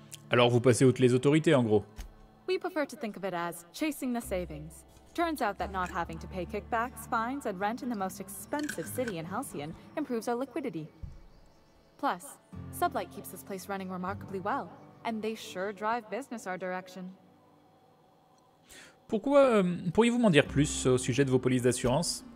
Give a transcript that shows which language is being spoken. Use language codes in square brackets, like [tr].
[fr] Alors vous passez outre les autorités, en gros. [en] We prefer to think of it as chasing the savings. Turns out that not having to pay kickbacks, fines, and rent in the most expensive city in Halcyon improves our liquidity. Plus, Sublight keeps this place running remarkably well, and they sure drive business our direction. [fr] Pourquoi pourriez-vous m'en dire plus au sujet de vos polices d'assurance?